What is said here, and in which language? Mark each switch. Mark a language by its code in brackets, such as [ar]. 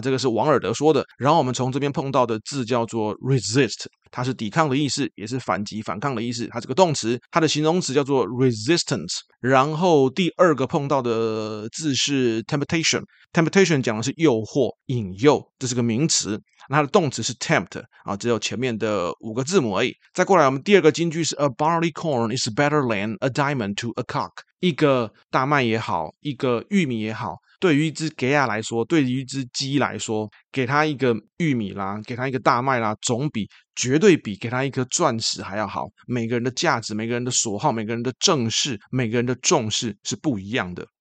[zh] 这个是王尔德说的。然后我们从这边碰到的字叫做 resist， 它是抵抗的意思，也是反击反抗的意思，它是个动词，它的形容词叫做 resistance。然后第二个碰到的字是 temptation， temptation 讲的是诱惑引诱，这是个名词那它的动词是 tempt 啊，只有前面的五个字母而已。再过来，我们第二个金句是 [en] a barley corn is better than a diamond to a cock。 [zh] 一个大麦也好，一个玉米也好，对于一只鸡鸭来说，对于一只鸡来说，给它一个玉米啦，给它一个大麦啦，总比绝对比给它一颗钻石还要好。每个人的价值、每个人的所好、每个人的正视、每个人的重视是不一样的。